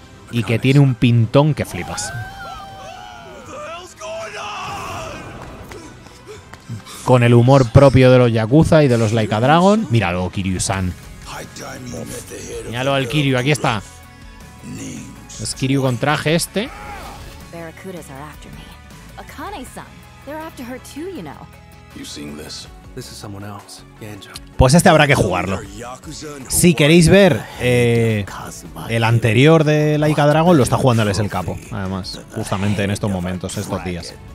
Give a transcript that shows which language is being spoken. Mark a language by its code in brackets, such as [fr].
[es] Y que tiene un pintón que flipas. Con el humor propio de los Yakuza y de los Like a Dragon. Míralo, Kiryu-san. Míralo al Kiryu, aquí está. Es Kiryu con traje este. [en] Barracudas are after me. Akane-san, they're after her too, you know. You've seen this. This is someone else. Ganjo. [es] Pues este habrá que jugarlo. Si queréis ver el anterior de Like a Dragon, lo está jugándoles el capo. Además, justamente en estos momentos, estos días.